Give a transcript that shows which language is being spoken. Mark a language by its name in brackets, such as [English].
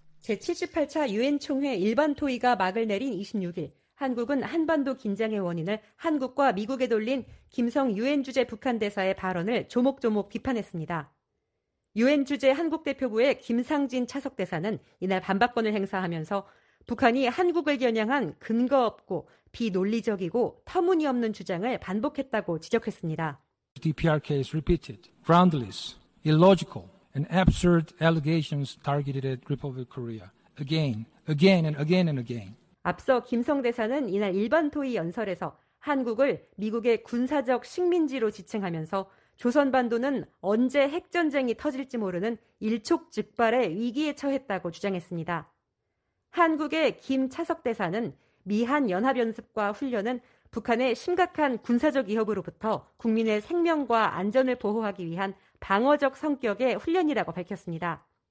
[Korean] 제78차 유엔 총회 일반 토의가 막을 내린 26일 한국은 한반도 긴장의 원인을 한국과 미국에 돌린 김성 유엔 주재 북한 대사의 발언을 조목조목 비판했습니다. 유엔 주재 한국 대표부의 김상진 차석 대사는 이날 반박권을 행사하면서 북한이 한국을 겨냥한 근거 없고 비논리적이고 터무니없는 주장을 반복했다고 지적했습니다. [English] DPRK is repeated, groundless, illogical, and absurd allegations targeted at Republic of Korea again, again and again and again. [Korean] 앞서 김성 대사는 이날 일반 토의 연설에서 한국을 미국의 군사적 식민지로 지칭하면서 조선반도는 언제 핵전쟁이 터질지 모르는 일촉즉발의 위기에 처했다고 주장했습니다. 한국의 김차석 대사는 미한 연합연습과 훈련은 북한의 심각한 군사적 위협으로부터 국민의 생명과 안전을 보호하기 위한 방어적 성격의 훈련이라고 밝혔습니다.